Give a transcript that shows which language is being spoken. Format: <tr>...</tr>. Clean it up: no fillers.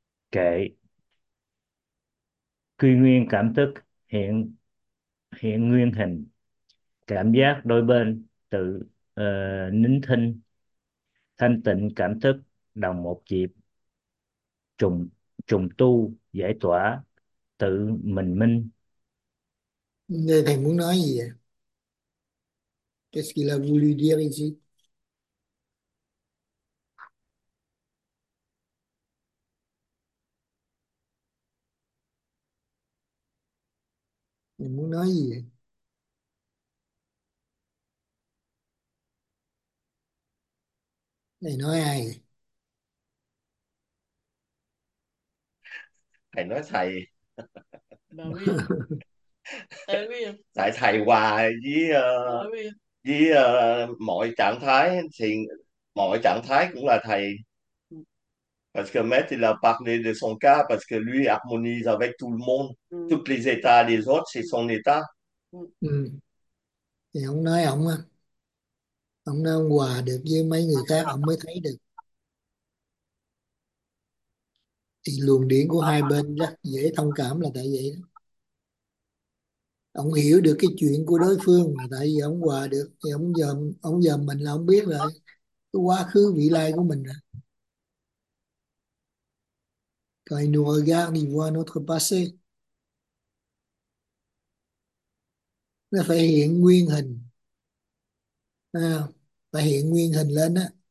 <vi>Kệ: quy nguyên cảm thức hiện hiện nguyên hình, cảm giác đôi bên tự nín thinh, thanh tịnh cảm thức đồng một dịp, trùng trùng tu giải tỏa tự mình minh. Người thầy muốn nói gì vậy?</vi> <fr>Qu'est-ce qu'il a voulu dire ici?</fr> <vi>Muốn nói gì vậy? Này nói ai? Thầy nói thầy Bà Huy. À, Huy. tại thầy hòa Bà Huy. với mọi trạng thái thì mọi trạng thái cũng là thầy.</vi> <fr>Parce que maître il a parlé de son cas parce que lui harmonise avec tout le monde, tous les états des autres c'est son état.</fr> <vi>Thì ông nói ông á, ông nói ông hòa được với mấy người khác ông mới thấy được, thì luồng điển của hai bên rất dễ thông cảm là tại vậy đó. Ông hiểu được cái chuyện của đối phương là tại vì ông hòa được, thì ông dòm mình là ông biết là cái quá khứ vị lai của mình rồi.</vi> <fr>Quand il nous regarde, il voit notre passé.</fr> <vi>Nó phải hiện nguyên hình. À, phải hiện nguyên hình lên á.</vi>